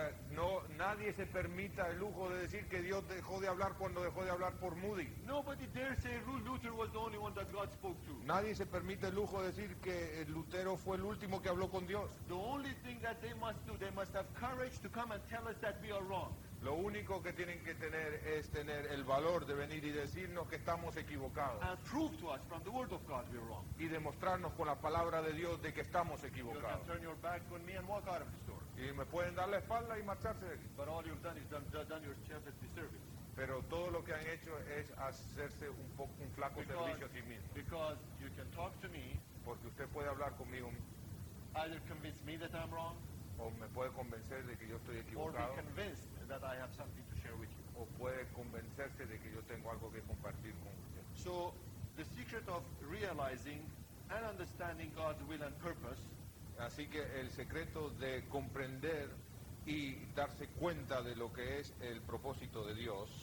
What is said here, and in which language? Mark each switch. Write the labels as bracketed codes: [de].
[es] No, nadie se permita el lujo de decir que Dios dejó de hablar cuando dejó de hablar por Moody. [en] Nobody dare say Luther was the only one that God spoke to. [es] Nadie se permite el lujo de decir que Lutero fue el último que habló con Dios. [en] The only thing that they must do, they must have courage to come and tell us that we are wrong. [es] Lo único que tienen que tener es tener el valor de venir y decirnos que estamos equivocados. [en] And prove to us from the word of God we're wrong. [es] Y demostrarnos con la palabra de Dios de que estamos equivocados. [en] You can turn your back on me and walk out of the store. [es] Y me pueden dar la espalda y marcharse de aquí. [en] But all you've done is done your chest disservice. [es] Pero todo lo que han hecho es hacerse un flaco [en] because, [es] servicio a sí mismo. [en] Because you can talk to me, [es] porque usted puede hablar conmigo. [en] Either convince me that I'm wrong, [es] o me puede convencer de que yo estoy equivocado. [en] Or be convinced that I have something to share with you. [es] O puede convencerse de que yo tengo algo que compartir con usted. [en] So, the secret of realizing and understanding God's will and purpose. [es] Así que el secreto de comprender y darse cuenta de lo que es el propósito de Dios.